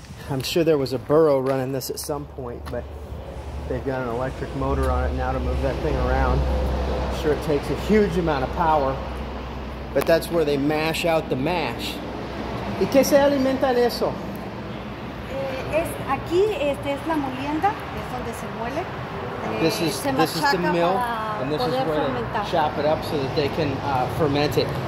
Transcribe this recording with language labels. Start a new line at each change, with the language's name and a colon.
English: I'm sure there was a burro running this at some point, but they've got an electric motor on it now to move that thing around. I'm sure it takes a huge amount of power. But that's where they mash out the mash.
Spanish: ¿Y qué se alimenta de eso? Aquí es la molienda, es donde se muele.
English: This is the mill, and this is where they chop it up so that they can ferment it.